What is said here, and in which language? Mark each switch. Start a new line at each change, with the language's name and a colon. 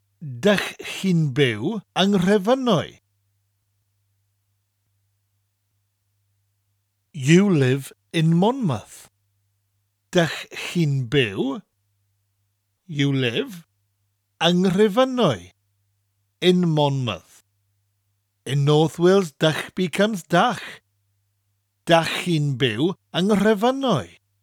Welsh: Dych chi'n byw yng Nghrefynwy.
English: You live in Monmouth.
Welsh: Dych chi'n byw.
English: You live
Welsh: yng Nghrefynwy.
English: In Monmouth. In North Wales, dach becomes dach.
Welsh: Dach chi'n byw yng Nghrefynwy.